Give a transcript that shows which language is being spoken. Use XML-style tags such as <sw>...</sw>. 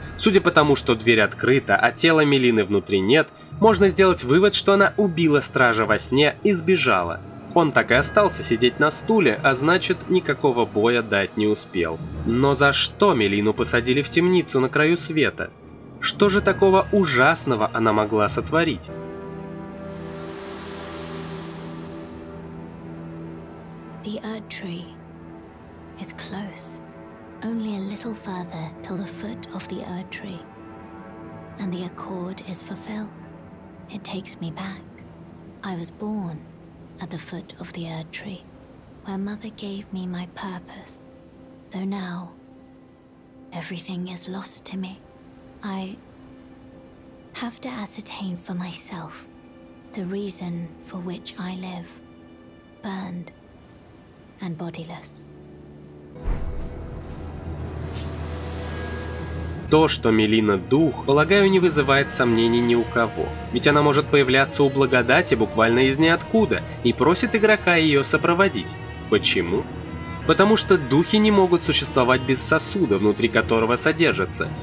<ru>Судя по тому, что дверь открыта, а тела Мелины внутри нет, можно сделать вывод, что она убила стража во сне и сбежала. Он так и остался сидеть на стуле, а значит, никакого боя дать не успел. Но за что Мелину посадили в темницу на краю света? Что же такого ужасного она могла сотворить?</ru> <en>The Erd Tree is close, only a little further till the foot of the Erd Tree. And the accord is fulfilled. It takes me back. I was born at the foot of the Erd Tree, where Mother gave me my purpose. Though now, everything is lost to me. I have to ascertain for myself the reason for which I live, burned and bodiless.</en> <ru>То, что Мелина — дух, полагаю, не вызывает сомнений ни у кого. Ведь она может появляться у благодати буквально из ниоткуда и просит игрока ее сопроводить. Почему? Потому что духи не могут существовать без сосуда, внутри которого содержатся.</ru>